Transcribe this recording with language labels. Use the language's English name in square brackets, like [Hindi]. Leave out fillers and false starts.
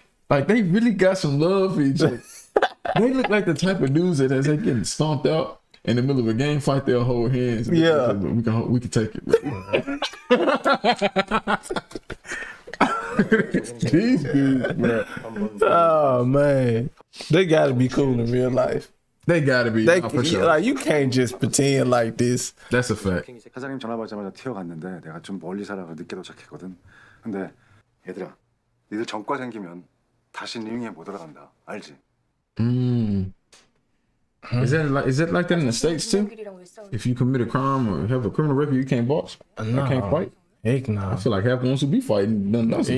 [English] Like, they really got some love for each other. They look like the type of dudes that as they getting stomped out in the middle of a game fight, they'll hold hands. And yeah. Like, we can take it, bro. These dudes, bro. Oh man, they gotta be cool in real life. They gotta be. They, for sure. Like you can't just pretend like this. That's a fact. [Korean] 사장님 전화 받자마자 튀어갔는데 내가 좀 멀리 살아서 늦게 도착했거든. 근데 얘들아, 니들 전과 생기면 다시 뉴잉에 못 들어간다. 알지? [English] Is that like that in the States too? If you commit a crime or have a criminal record, you can't box. No. You can't fight. Heck nah. I feel like half the ones who be fighting done nothing.